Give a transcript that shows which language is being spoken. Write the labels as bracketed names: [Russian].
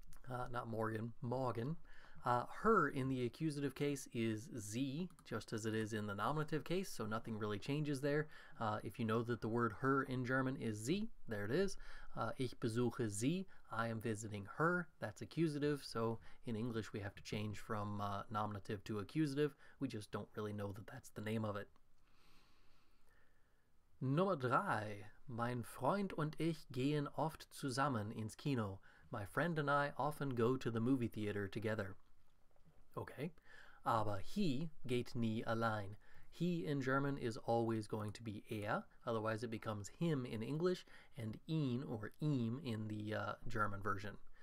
[English] Her in the accusative case is sie, just as it is in the nominative case, so nothing really changes there. If you know that the word her in German is sie, there it is. [German] Ich besuche sie, [English] I am visiting her, that's accusative, so in English we have to change from nominative to accusative. We just don't really know that that's the name of it. [German] Nummer drei, mein Freund und ich gehen oft zusammen ins Kino. [English] My friend and I often go to the movie theater together. [German] Okay, aber he geht nie allein. [English] He in German is always going to be er, otherwise it becomes him in English, and ihn or ihm in the German version.